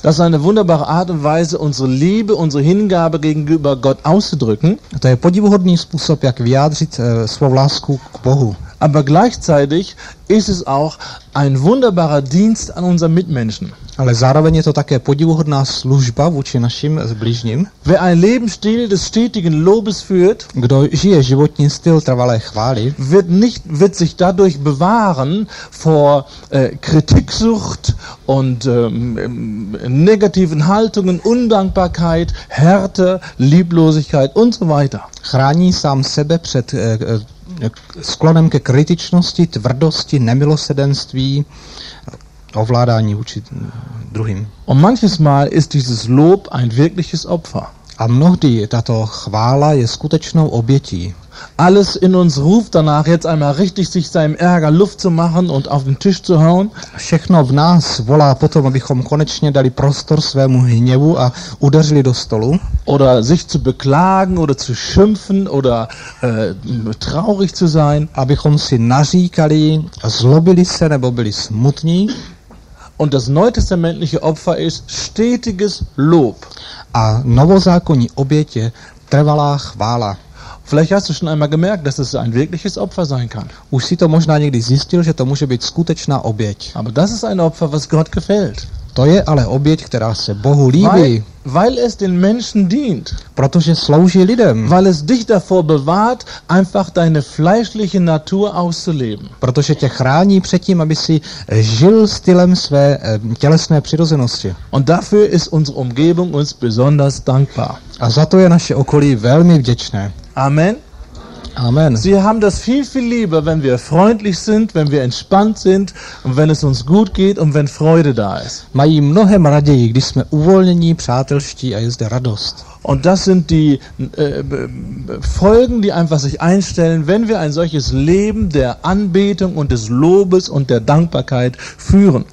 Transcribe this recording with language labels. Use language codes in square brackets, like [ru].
[de] Das ist eine wunderbare Art und Weise, unsere Liebe, unsere Hingabe gegenüber Gott auszudrücken. [cs] To je podivuhodný způsob, jak vyjádřit svou lásku k Bohu. [de] Aber gleichzeitig ist es auch ein wunderbarer Dienst an unseren Mitmenschen. [cs] Ale zároveň je to také podivuhodná služba vůči našim bližním. [de] Wer ein Lebensstil des stetigen Lobes führt, [cs] kdo žije životní styl trvalé chvály, [de] wird sich dadurch bewahren vor Kritiksucht und negativen Haltungen, Undankbarkeit, Härte, Lieblosigkeit und so weiter. [cs] Chrání sám sebe před sklonem ke kritičnosti, tvrdosti, nemilosrdenství, ovládání vůči druhým. [de] Und manches Mal ist dieses Lob ein wirkliches Opfer. [cs] A mnohdy tato chvála je skutečnou obětí. [de] Alles in uns ruft danach, jetzt einmal richtig sich seinem Ärger Luft zu machen und auf den Tisch zu hauen. [cs] Všechno v nás volá potom, abychom konečně dali prostor svému hněvu a udeřili do stolu. [de] Oder sich zu beklagen oder zu schimpfen oder traurig zu sein. [cs] Abychom si naříkali, zlobili se nebo byli smutní. [de] Und das neutestamentliche Opfer ist stetiges Lob. [cs] A novozákonní obět je trvalá chvála. [de] Vielleicht hast du schon einmal gemerkt, dass es ein wirkliches Opfer sein kann. [cs] Už si to možná někdy zjistil, že to může být skutečná oběť. [de] Aber das ist ein Opfer, was Gott gefällt. [cs] To je ale oběť, která se Bohu líbí. [de] Weil es den Menschen dient. [cs] Protože slouží lidem. [de] Weil es dich davor bewahrt, einfach deine fleischliche Natur auszuleben. [cs] Protože tě chrání před tím, aby si žil stylem své tělesné přirozenosti. [de] Und dafür ist unsere Umgebung uns besonders dankbar. [cs] A za to je naše okolí velmi vděčné. [de] Amen. [cs] Amen. [de] Sie haben das viel, viel lieber, wenn wir freundlich sind, wenn wir entspannt sind und wenn es uns gut geht und wenn Freude da ist. [cs] Mají mnohem raději, když jsme uvolnění, přátelští a je zde radost. [de] Und das sind die Folgen, die einfach sich einstellen, wenn wir ein solches Leben der Anbetung und des Lobes und der Dankbarkeit führen.